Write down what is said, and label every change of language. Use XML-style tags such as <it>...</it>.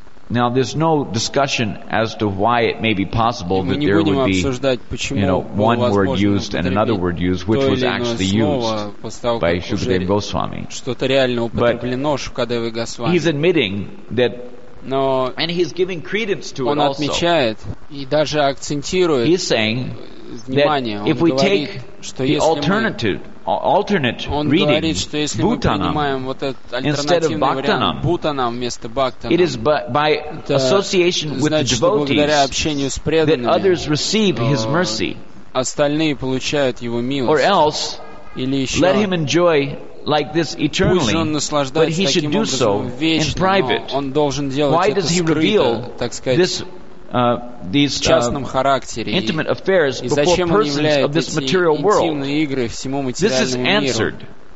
<en>Now, there's no discussion as to why it may be possible that there would be, one word used and another word used, which was actually used by Shukadev Goswami. he's admitting that.</en> <ru>Но</ru> <en>and he's giving credence to</en> <ru>он</ru> <en>it also.</en> <ru>Отмечает и даже акцентирует</ru> <en>he's saying</en> <ru>внимание.</ru> <en>That</en> <ru>он</ru> <en>if</en> <ru>говорит,</ru> <en>we take the alternative, alternate reading,</en> <ru>Bhutanam, вот</ru> <en>instead of Bhaktanam,</en> <ru>вариант, Bhaktanam,</ru> <en>it is by</en> <ru>это,</ru> <en>association with</en> <ru>значит,</ru> <en>the devotees that others receive his mercy.</en> <ru>Остальные получают его милость.</ru> <en>Or else,</en> <ru>или еще,</ru> <en>let him enjoy like this eternally, but he should do so</en> <ru>вечно,</ru> <en>in private. Why does he</en> <ru>скрыто,</ru> <en>reveal</en> <ru>сказать,</ru> <en>this, these intimate affairs before persons of this material world? This is answered</en>